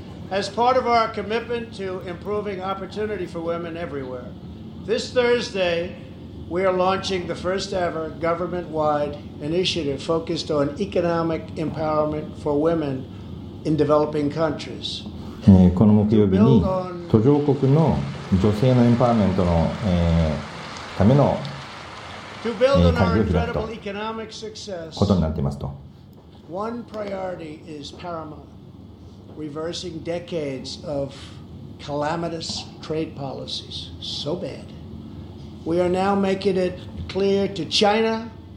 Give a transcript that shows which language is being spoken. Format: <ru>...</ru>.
<en>As part of our commitment to improving opportunity for women everywhere, this Thursday,We are launching the first ever government-wide initiative focused on economic empowerment for women in developing countries.</en> <ja>この木曜日に途上国の女性のエンパワーメントの、ための、会議を開くということになっていますと。</ja> <en>One priority is paramount: reversing decades of calamitous trade policies. So bad. We are now making it clear to China.</en>